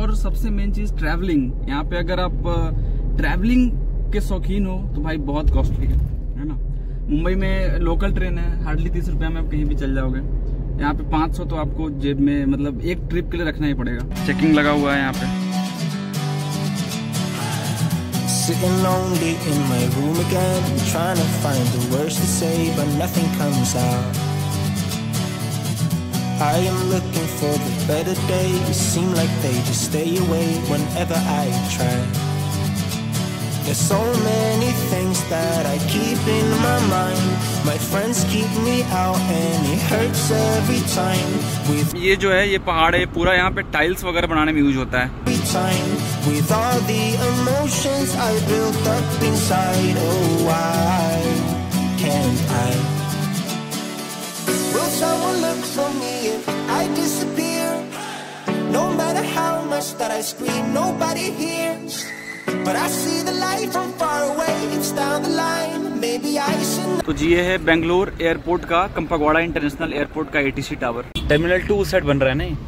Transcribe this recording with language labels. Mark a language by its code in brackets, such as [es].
[hi] और सबसे मेन चीज ट्रैवलिंग, यहां पे अगर आप ट्रैवलिंग के शौकीन हो तो भाई बहुत कॉस्टली है ना। मुंबई में लोकल ट्रेन है, हार्डली 30 रुपया में आप कहीं भी चल जाओगे। यहां पे 500 तो आपको जेब में मतलब एक ट्रिप के लिए रखना ही पड़ेगा। चेकिंग लगा हुआ है यहाँ पे। [en] Sitting lonely in my room again, trying to find the words to say, but nothing comes out. I am looking for the better days, seem like they just stay away whenever I try. There's so many things that I keep in my mind. My friends keep me out and it hurts every time. [hi] With ये जो है ये पहाड़ है, पूरा यहाँ पे tiles वगैरह बनाने में यूज होता है। [en] With all the emotions I built up inside, oh why can't I? Will someone look for me if I disappear? No matter how much that I scream, nobody hears. But I see the light from far away, it's down the line. [hi] तो जी ये है Bangalore airport का, कंपागवाड़ा international airport का ATC tower. Terminal 2 उस side बन रहा है ना।